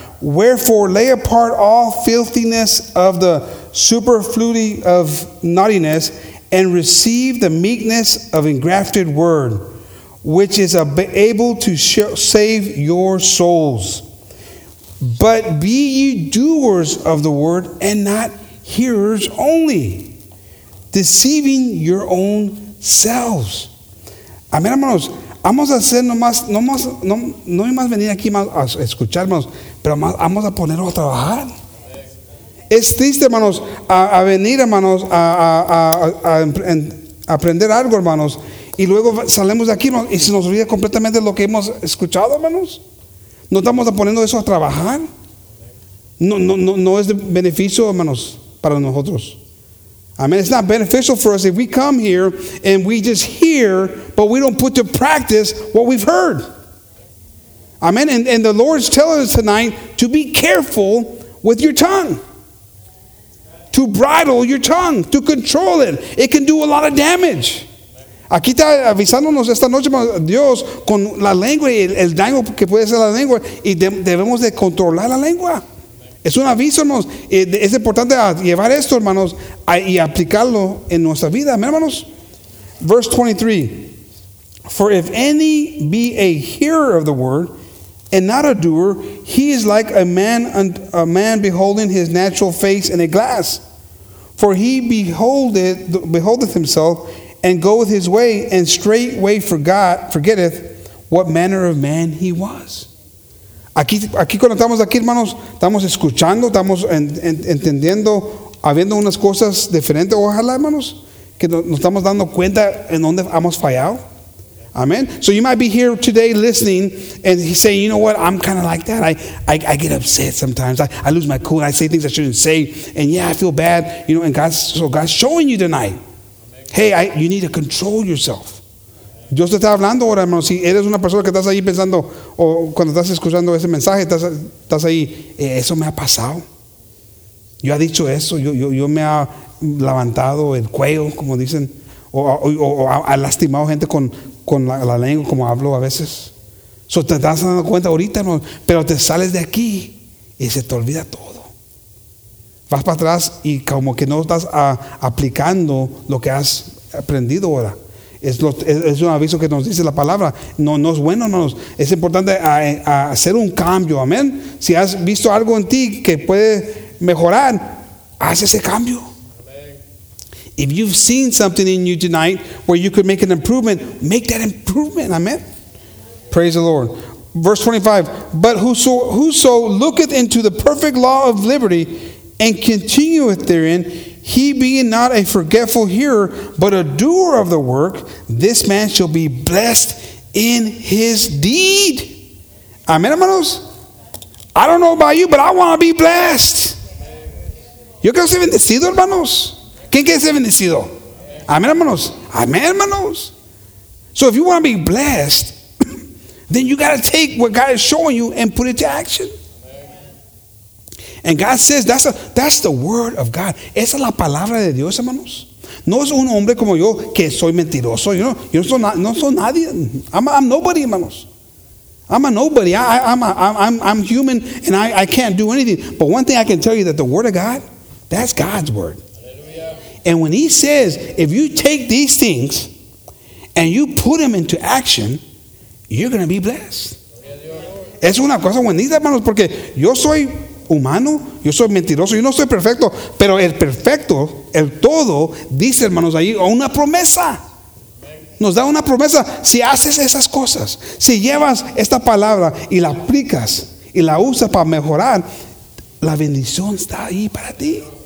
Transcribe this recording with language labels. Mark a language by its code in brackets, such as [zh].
[en] Wherefore, lay apart all filthiness of the superfluity of naughtiness, and receive the meekness of engrafted word, which is able to save your souls. But be ye doers of the word, and not hearers only, deceiving your own selves. [es] Amén, hermanos. Vamos a hacer no más venir aquí más a escucharnos, pero más vamos a ponerlo a trabajar. Es triste, hermanos, a venir, hermanos, a aprender algo, hermanos, y luego salimos de aquí, hermanos, y se nos olvida completamente lo que hemos escuchado, hermanos. No estamos poniendo eso a trabajar. No es de beneficio, hermanos, para nosotros. [en] I mean, it's not beneficial for us if we come here and we just hear, but we don't put to practice what we've heard. Amen. And the Lord's telling us tonight to be careful with your tongue. To bridle your tongue, to control it. It can do a lot of damage. [es] Aquí está avisándonos esta noche, Dios, con la lengua y el daño que puede hacer la lengua. Y debemos de controlar la lengua. Es un aviso, hermanos. Es importante llevar esto, hermanos, y aplicarlo en nuestra vida. Amén, hermanos. [en] Verse 23. For if any be a hearer of the word and not a doer, he is like a man beholding his natural face in a glass. For he beholdeth himself and goeth his way and straightway forgetteth what manner of man he was. [es] Aquí cuando estamos aquí, hermanos, estamos escuchando, estamos entendiendo, habiendo unas cosas diferentes. Ojalá, hermanos, que nos estamos dando cuenta en dónde hemos fallado. Amen. [en] So you might be here today listening and he's saying, you know what, I'm kind of like that. I get upset sometimes. I lose my cool. I say things I shouldn't say. And yeah, I feel bad. You know, and God's showing you tonight. Hey, you need to control yourself. [es] Dios te está hablando ahora, hermano. Si eres una persona que estás ahí pensando, o cuando estás escuchando ese mensaje, estás ahí, eso me ha pasado. Yo he dicho eso, yo me ha levantado el cuello, como dicen, o ha lastimado gente con la lengua, como hablo a veces. So, te estás dando cuenta ahorita, hermano, pero te sales de aquí y se te olvida todo. Vas para atrás y como que no estás aplicando lo que has aprendido ahora. Es un aviso que nos dice la palabra. No es bueno, hermanos. Es importante a hacer un cambio. Amén. Si has visto algo en ti que puede mejorar, haz ese cambio. Amen. [en] If you've seen something in you tonight where you could make an improvement, make that improvement. Amén. Praise the Lord. Verse 25. But whoso looketh into the perfect law of liberty and continueth therein, he being not a forgetful hearer, but a doer of the work, this man shall be blessed in his deed. Amen, hermanos. I don't know about you, but I want to be blessed. [es] Yo quiero ser bendecido, hermanos. ¿Quién quiere ser bendecido? Amen, hermanos. Amen, hermanos. [en] So if you want to be blessed, then you got to take what God is showing you and put it to action. And God says, that's the word of God. [es] Esa es la palabra de Dios, hermanos. No es un hombre como yo que soy mentiroso. [en] You know, [es] yo no soy nadie. [en] I'm nobody, hermanos. I'm a nobody. I'm human and I can't do anything. But one thing I can tell you, that the word of God, that's God's word. Hallelujah. And when he says, if you take these things and you put them into action, you're going to be blessed. Yes, sir. [es] es una cosa buenísima, hermanos, porque yo soy humano, yo soy mentiroso, yo no soy perfecto, pero el perfecto, el todo, dice, hermanos, ahí una promesa. Nos da una promesa. Si haces esas cosas, si llevas esta palabra y la aplicas y la usas para mejorar, la bendición está ahí para ti.